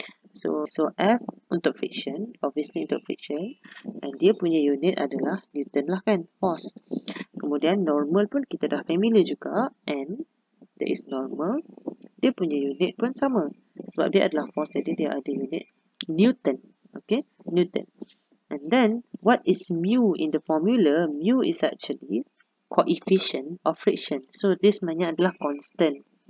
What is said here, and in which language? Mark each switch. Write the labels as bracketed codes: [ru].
[ms] So F untuk friction, obviously untuk friction, dan dia punya unit adalah Newton lah kan, force. Kemudian normal pun kita dah familiar juga, N, [en] that is normal, [ms] dia punya unit pun sama. Sebab dia adalah force, jadi dia ada unit Newton. Okay, Newton. [en] And then, what is mu in the formula? Mu is actually coefficient of friction. [ms] So, this maknanya adalah constant.